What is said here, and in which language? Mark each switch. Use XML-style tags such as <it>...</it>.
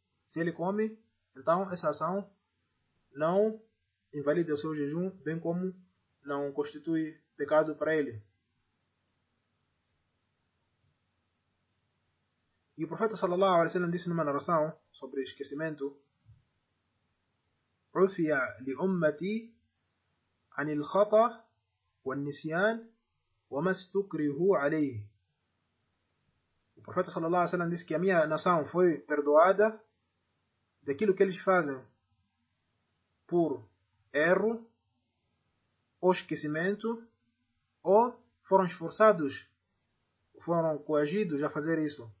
<pt>Se ele come, então essa ação não invalida o seu jejum, bem como não constitui pecado para ele. E o profeta sallallahu alaihi wa sallam disse numa narração sobre esquecimento:</pt> <ar>"Ufia li ummati عن الخطأ والنسيان وما استكرهوا عليه.</ar> <pt>O profeta sallallahu alaihi wasallam disse que a minha nação foi perdoada daquilo que eles fazem por erro ou esquecimento, ou foram esforçados, foram coagidos a fazer isso.</pt>